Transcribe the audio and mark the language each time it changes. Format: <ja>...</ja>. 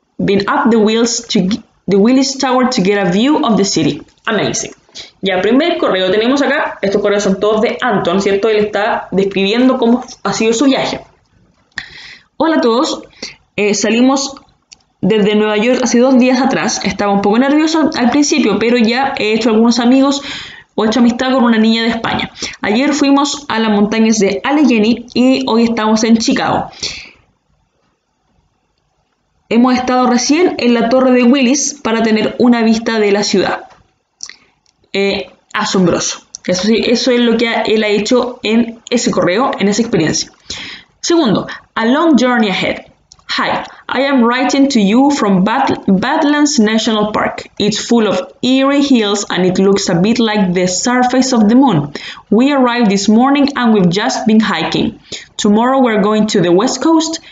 <en>We have been up the Willis Tower to get a view of the city.</en> <es>Amazing. Ya, primer correo tenemos acá. Estos correos son todos de Anton, ¿cierto? Él está describiendo cómo ha sido su viaje. Hola a todos. Salimos desde Nueva York hace 2 días atrás. Estaba un poco nervioso al principio, pero ya he hecho algunos amigos o he hecho amistad con una niña de España. Ayer fuimos a las montañas de Allegheny y hoy estamos en Chicago. Hemos estado recién en la Torre de Willis para tener una vista de la ciudad. Asombroso. Eso sí, eso es lo que él ha hecho en ese correo, en esa experiencia.</es> <en>Segundo, a long journey ahead. Hi, I am writing to you from Badlands National Park. It's full of eerie hills and it looks a bit like the surface of the moon. We arrived this morning and we've just been hiking. Tomorrow we're going to the West Coast.</en>